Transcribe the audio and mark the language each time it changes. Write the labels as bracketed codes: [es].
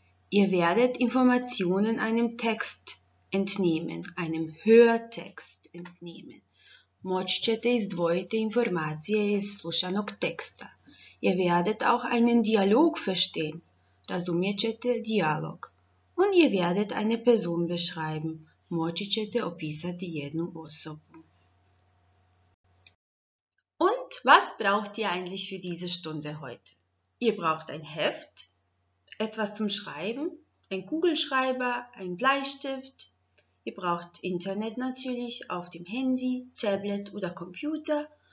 [de] Ihr werdet Informationen einem Text entnehmen, einem Hörtext entnehmen. [hr] Moći ćete izdvojiti informacije iz slušanog teksta. [de] Ihr werdet auch einen Dialog verstehen. [hr] Razumjet ćete Dialog. [de] Und ihr werdet eine Person beschreiben. [hr] Moći ćete opisati jednu osobu. [de] Und was braucht ihr eigentlich für diese Stunde heute? Ihr braucht ein Heft, etwas zum Schreiben, ein Kugelschreiber, ein Bleistift. Ihr braucht Internet natürlich auf dem Handy, Tablet oder Computer.